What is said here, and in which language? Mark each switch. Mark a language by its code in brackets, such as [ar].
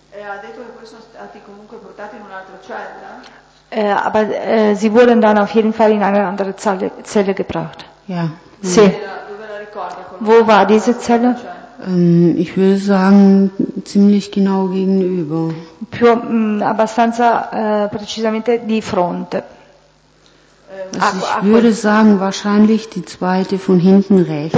[it] Ha detto che poi sono stati comunque portati in un'altra cella? [de] Aber sie wurden dann auf jeden Fall in eine andere Zelle gebracht. Ja. Sì. Wo war diese Zelle? Ich würde sagen, ziemlich genau gegenüber. [it] Più, abbastanza precisamente di fronte. [de] Also ich würde sagen, wahrscheinlich die zweite von hinten rechts.